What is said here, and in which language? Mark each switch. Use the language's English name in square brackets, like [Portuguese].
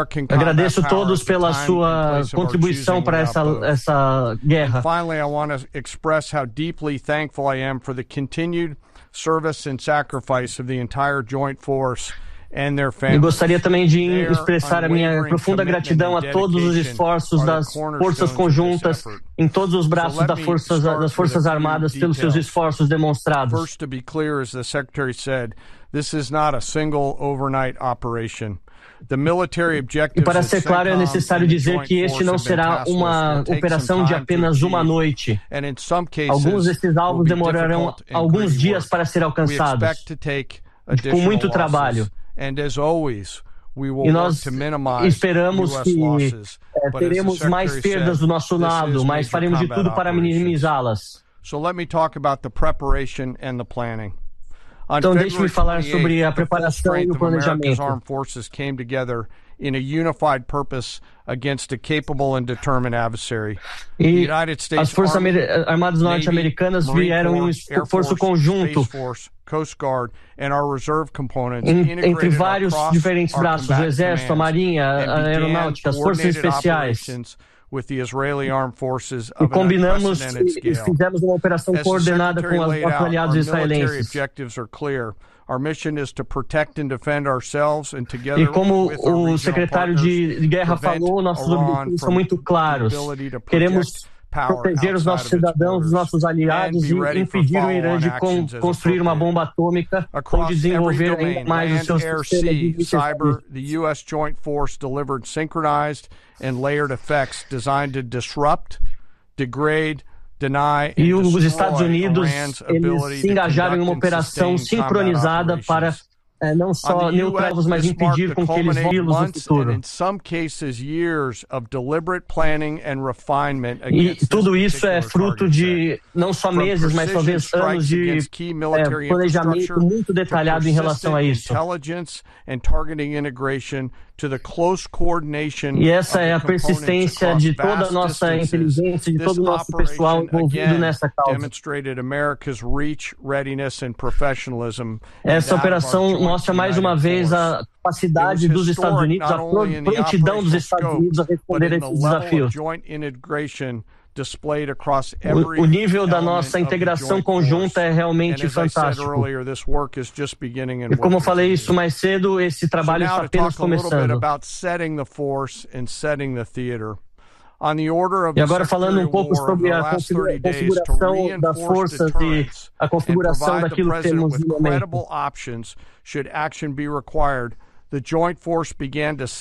[Portuguese] Agradeço a todos pela sua contribuição para essa guerra. [English] Finally, I want to express how deeply thankful I am for the continued service and sacrifice of the entire joint force and their families. [Portuguese] E gostaria também de expressar a minha profunda gratidão a todos os esforços das forças conjuntas em todos os braços das Forças Armadas pelos seus esforços demonstrados. [English] First, to be clear, as the secretary said, this is not a single overnight operation. The military objectives. [Portuguese] E para ser claro, é necessário dizer que este não será uma operação de apenas uma noite. [English] And in some cases, [Portuguese] alguns desses alvos demorarão alguns dias para ser alcançados, com muito trabalho. [English] And as always, we will [Portuguese] e nós esperamos que teremos mais perdas do nosso lado, mas faremos de tudo para minimizá-las. [English] So let me talk about the preparation and the planning. [Portuguese] Então deixe-me falar sobre a preparação e o planejamento. [English] In a unified purpose against a capable and determined adversary. [Portuguese] E United States as Forças Armadas Norte-Americanas vieram em um esforço conjunto [English] Coast Guard and our reserve components [Portuguese] entre vários diferentes braços, o Exército, a Marinha, a Aeronáutica, as Forças Especiais. [English] With the Israeli Armed Forces [Portuguese] of combinamos e fizemos uma operação coordenada com os aliados israelenses. [English] Objectives are clear. Our mission is to protect and defend ourselves and together. [Portuguese] E como o secretário de guerra falou, nossos objetivos são muito claros. Queremos proteger os nossos cidadãos, os nossos aliados e impedir o Irã de construir uma bomba atômica ou desenvolver ainda mais os seus sistemas de defesa. [English] Delivered synchronized and layered effects designed to disrupt, degrade, deny, [Portuguese] e os Estados Unidos se engajaram em uma operação sincronizada para não só neutralizá-los, mas impedir com que eles vivam no futuro. [English] In some cases, years of deliberate planning and refinement [Portuguese] against e tudo isso é fruto de não só meses, mas talvez anos de planejamento muito detalhado em relação a isso. [English] Intelligence and targeting integration to the close coordination. [Portuguese] E essa é a persistência de toda a nossa inteligência, de todo o nosso pessoal envolvido nessa causa. [English] Demonstrated America's reach, readiness and professionalism. [Portuguese] Essa operação mostra mais uma vez a capacidade dos Estados Unidos, a prontidão dos Estados Unidos a responder a esses desafios. [English] Joint integration displayed across every [Portuguese] o nível da nossa integração conjunta é realmente fantástico. [English] Earlier, [Portuguese] e como eu falei isso mais cedo, esse trabalho está apenas começando. E agora falando um pouco sobre a configuração das forças e a configuração daquilo que temos no momento. [English] Should action be required, the joint force began to